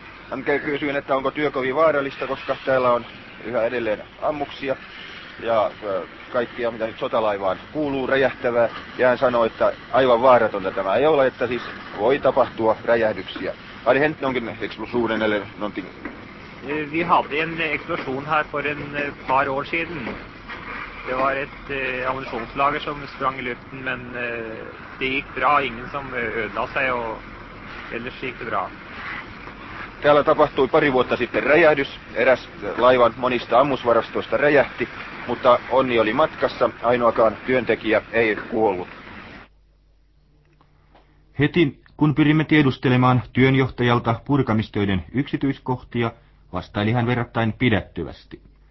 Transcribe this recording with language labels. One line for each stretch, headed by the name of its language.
Finnish: Han kysyn, että onko työ kovin vaarallista, koska täällä on yhä edelleen ammuksia ja kaikkia, mitä nyt sotalaivaan kuuluu, räjähtävää. Ja hän sanoi, että aivan vaaratonta tämä ei ole, että siis voi tapahtua räjähdyksiä.
Swedish: Ai hent onkin explosionen eller någonting? Vi hade en explosion här för en par år sedan. Det var ett ammunitionslager som sprang i luften, men det gick bra. Ingen som ödlade sig och ellers gick det bra.
Finnish: Täällä tapahtui pari vuotta sitten räjähdys. Eräs laivan monista ammusvarastoista räjähti, mutta onni oli matkassa. Ainoakaan työntekijä ei kuollut. Heti kun pyrimme tiedustelemaan työnjohtajalta purkamistöiden yksityiskohtia, vastaili hän verrattain pidättyvästi.